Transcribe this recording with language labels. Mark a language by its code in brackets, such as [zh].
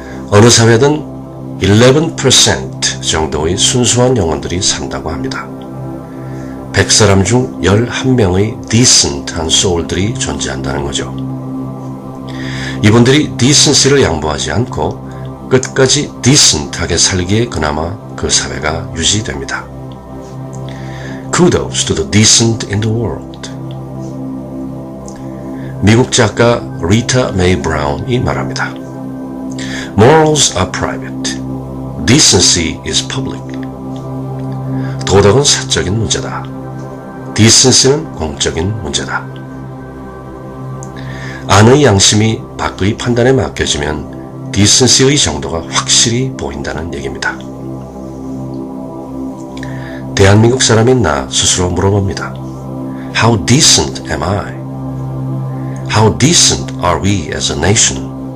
[ko] 어느 사회든 11% 정도의 순수한 영혼들이 산다고 합니다. 100사람 중 11명의 decent한 soul들이 존재한다는 거죠. 이분들이 decency를 양보하지 않고 끝까지 decent하게 살기에 그나마 그 사회가 유지됩니다. [en] Kudos to the decent in the world. [ko] 미국 작가 리타 메이 브라운이 말합니다. [en] Morals are private. Decency is public. [ko] 도덕은 사적인 문제다. Decency는 공적인 문제다. 안의 양심이 밖의 판단에 맡겨지면 Decency의 정도가 확실히 보인다는 얘기입니다. 대한민국 사람인 나 스스로 물어봅니다. [en] How decent am I? How decent are we as a nation?